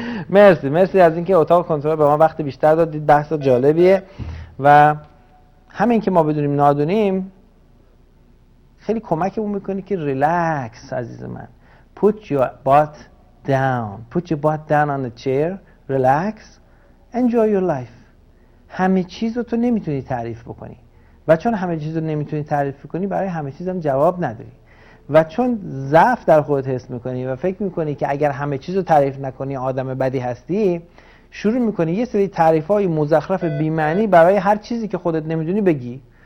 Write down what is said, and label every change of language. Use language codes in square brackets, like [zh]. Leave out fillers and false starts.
[fa] مرسی، مرسی از اینکه اتاق کنترل به ما وقت بیشتر دادید. بحث جالبیه و همین که ما بدونیم نادونیم خیلی کمکمون میکنه که ریلکس عزیز من. [en] Put your butt down on the chair, relax, enjoy your life. [fa] همه چیز رو تو نمیتونی تعریف بکنی، و چون همه چیز رو نمیتونی تعریف کنی، برای همه چیز هم جواب نداری، و چون ضعف در خودت حس میکنی و فکر میکنی که اگر همه چیز رو تعریف نکنی آدم بدی هستی، شروع میکنی یه سری تعریف های مزخرف بیمعنی برای هر چیزی که خودت نمیدونی بگی.